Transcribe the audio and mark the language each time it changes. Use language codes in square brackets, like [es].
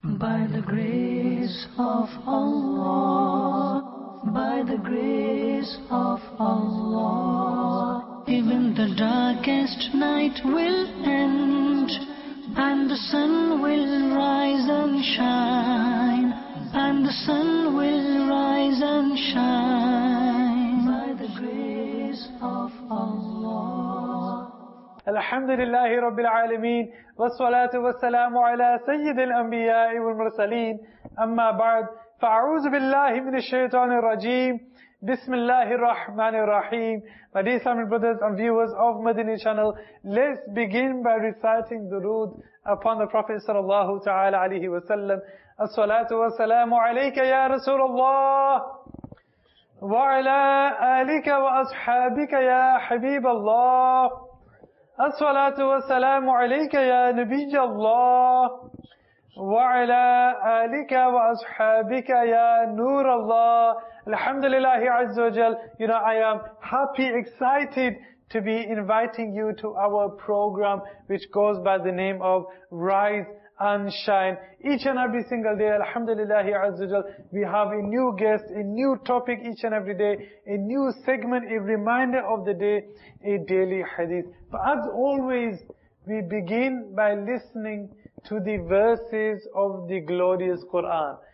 [en] By the grace of Allah, by the grace of Allah, even the darkest night will end, and the sun will rise and shine, and the sun will rise and shine. By the grace of Allah. [ar] الحمد لله رب العالمين والصلاة والسلام على سيد الأنبياء والمرسلين أما بعد فأعوذ بالله من الشيطان الرجيم بسم الله الرحمن الرحيم [en] My dear Islamic brothers and viewers of Madini channel Let's begin by reciting [ar] درود [en] upon the Prophet [ar] صلى الله تعالى عليه وسلم الصلاة والسلام عليك يا رسول الله وعلى آلك وأصحابك يا حبيب الله الصلاة والسلام عليك يا نبي الله وعلى آلك وأصحابك يا نور الله الحمد لله عز وجل [en] You know, I am happy, excited to be inviting you to our program which goes by the name of Rise and Shine. Each and every single day, Alhamdulillah, we have a new guest, a new topic each and every day, a new segment, a reminder of the day, a daily hadith. But as always, we begin by listening to the verses of the glorious Quran.